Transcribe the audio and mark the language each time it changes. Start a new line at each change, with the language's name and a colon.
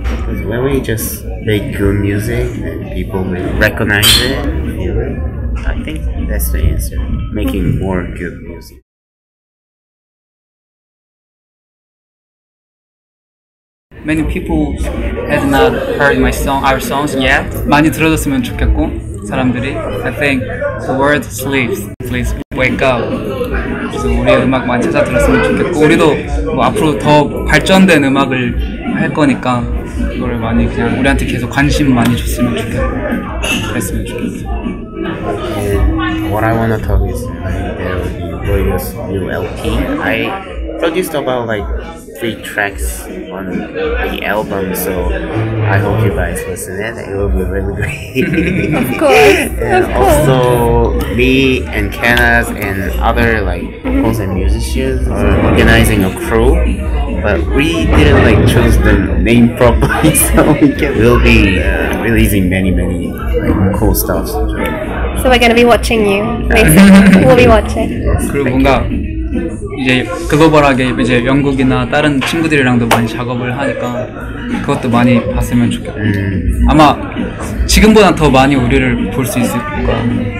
English: Because when we just make good music and people will recognize it, I think that's the answer. Making more good music. Many people have not heard my song, our songs yet.
Korean: 많이 들어줬으면 좋겠고, 사람들이.
English: I think the world sleeps. Please wake up.
Korean: 그래서 우리 음악 많이 찾아들었으면 좋겠고, 우리도 뭐 앞으로 더 발전된 음악을 할 거니까, 이거를 많이 그냥 우리한테 계속 관심 많이 줬으면 좋겠고, 그랬으면 좋겠어.
English: What I wanna talk is Royal's new LP. I produced about like 3 tracks on the album, so I hope you guys listen it. It will be really great. of course. Also, me and Canhaz and other like vocals and musicians are organizing a crew, but we didn't like choose the name properly, so we'll be releasing many like, cool stuff. So we're gonna be watching you. Basically. We'll be watching.
Korean: Yes, 이제 글로벌하게 이제 영국이나 다른 친구들이랑도 많이 작업을 하니까 그것도 많이 봤으면 좋겠고 아마 지금보다 더 많이 우리를 볼 수 있을 것 같아요.